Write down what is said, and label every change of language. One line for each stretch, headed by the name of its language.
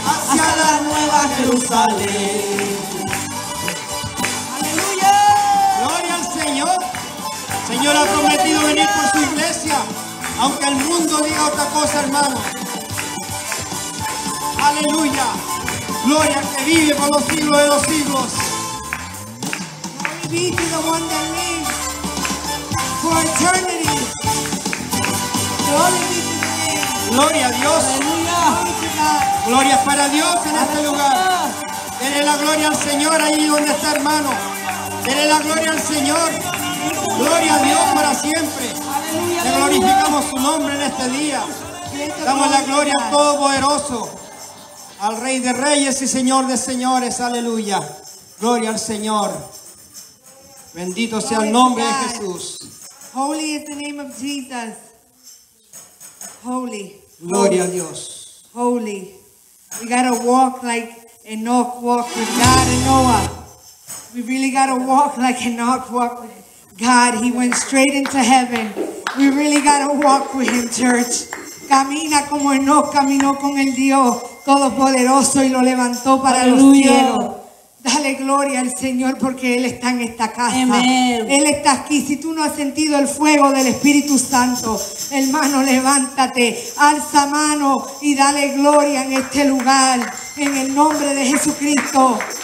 Spanish: hacia la nueva Jerusalén. ¡Aleluya! ¡Gloria al Señor! El Señor ha prometido venir por su iglesia, aunque el mundo diga otra cosa, hermano. Aleluya, gloria que vive por los siglos de los siglos.
English: Glory be to the one that lives for eternity. Glory be to the name.
Spanish: Gloria a Dios. Aleluya. Gloria para Dios en este lugar. Dele la gloria al Señor ahí donde está, hermano. Dele la gloria al Señor. Gloria a Dios para siempre. Te glorificamos su nombre en este día. Damos la gloria al Todopoderoso. Al Rey de Reyes y Señor de Señores, aleluya. Gloria al Señor. Bendito sea el nombre de Jesús.
English: Holy is the name of Jesus. Holy.
Spanish: Gloria a Dios.
English: Holy. We gotta walk like Enoch walked with God and Noah. We really gotta walk like Enoch walked with God. He went straight into heaven. We really gotta walk with him, church.
Spanish: Camina como Enoch caminó con el Dios Todopoderoso y lo levantó para Aleluya. Los cielos. Dale gloria al Señor porque Él está en esta casa.
English: Amen.
Spanish: Él está aquí. Si tú no has sentido el fuego del Espíritu Santo, hermano, levántate, alza mano y dale gloria en este lugar, en el nombre de Jesucristo.